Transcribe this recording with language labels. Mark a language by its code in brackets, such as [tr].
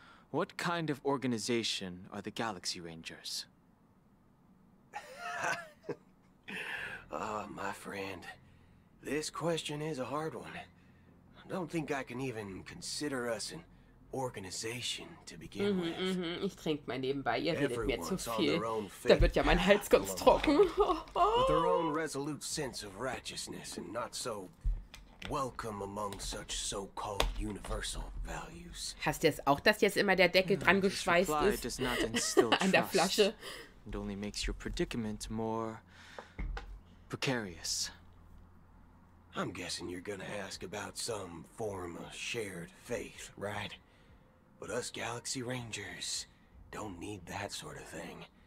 [en] What kind of organization are the Galaxy Rangers? Ah, my friend. This question is a hard one. I don't think I can even consider us an organization to begin with. [de] Ich trink mal nebenbei, ihr redet mir zu viel. Da wird ja mein Hals ganz trocken. [en] With their own resolute sense of righteousness and not so welcome among such so-called universal values. [de] Hast du jetzt auch, dass jetzt immer der Deckel dran geschweißt ist? [en] Does not instill trust [de] an der Flasche. [en] And only makes your predicament more precarious. I'm guessing you're gonna ask about some form of shared faith, right? But us Galaxy Rangers don't need that sort of thing.